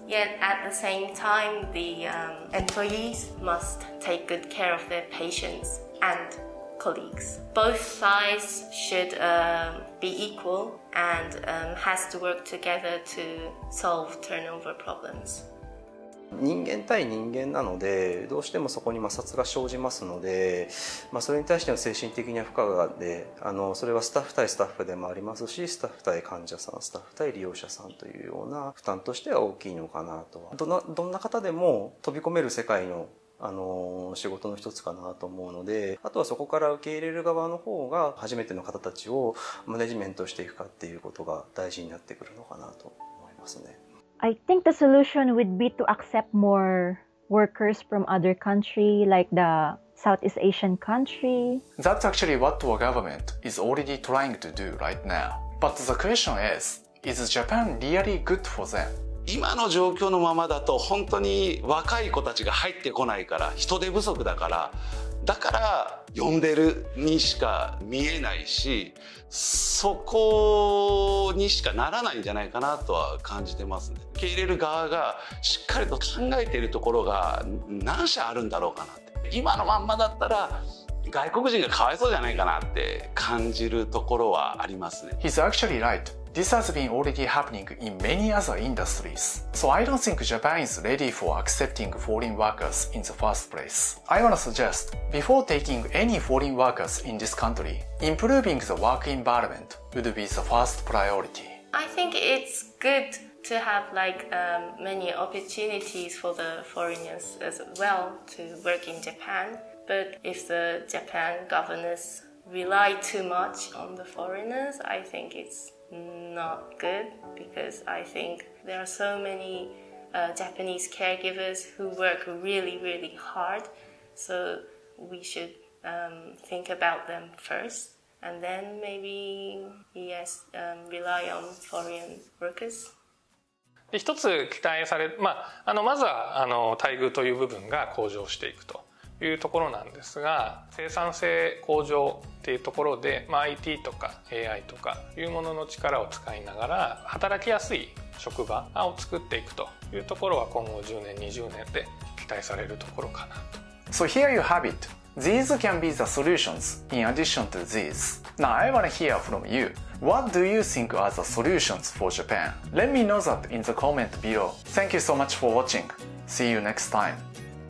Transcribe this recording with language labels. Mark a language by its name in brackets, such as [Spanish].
[English] Yet at the same time, the employees must take good care of their patients and colleagues. Both sides should be equal. And has to work together to solve turnover problems. [Japanese] 人間対人間なので、どうしてもそこに摩擦が生じますので、まあ、それに対しての精神的な負荷があって、それはスタッフ対スタッフでもありますし、スタッフ対患者さん、スタッフ対利用者さんというような負担としては大きいのかなとは。どんな方でも飛び込める世界の仕事の一つかなと思うので、あとはそこから受け入れる側の方が初めての方たちをマネジメントしていくかっていうことが大事になってくるのかなと思いますね。 [English] I think the solution would be to accept more workers from other country like the Southeast Asian country. That's actually what our government is already trying to do right now. But the question is Japan really good for them? [Japanese] 今の状況のままだと本当に若い子たちが入ってこないから、人手不足だから、だから呼んでるにしか見えないし、そこにしかならないんじゃないかなとは感じてますね。受け入れる側がしっかりと考えているところが何社あるんだろうかなって、今のまんまだったら外国人がかわいそうじゃないかなって感じるところはありますね。 [English] He's actually rightThis has been already happening in many other industries. So I don't think Japan is ready for accepting foreign workers in the first place. I wanna suggest, before taking any foreign workers in this country, improving the work environment would be the first priority. I think it's good to have like many opportunities for the foreigners as well to work in Japan. But if the Japan governors rely too much on the foreigners, I think it'snot good, because I think there are so many Japanese caregivers who work really, really hard. So we should think about them first, and then maybe, yes, rely on foreign workers. [Japanese] で、一つ期待され、まあ、まずは待遇という部分が向上していくというところなんですが、生産性向上っていうところで、まあ、IT とか AI とかいうものの力を使いながら働きやすい職場を作っていくというところは今後10年20年で期待されるところかなと。 [English] So here you have it. These can be the solutions in addition to these. Now I want to hear from you. What do you think are the solutions for Japan? Let me know that in the comment below. Thank you so much for watching. See you next time.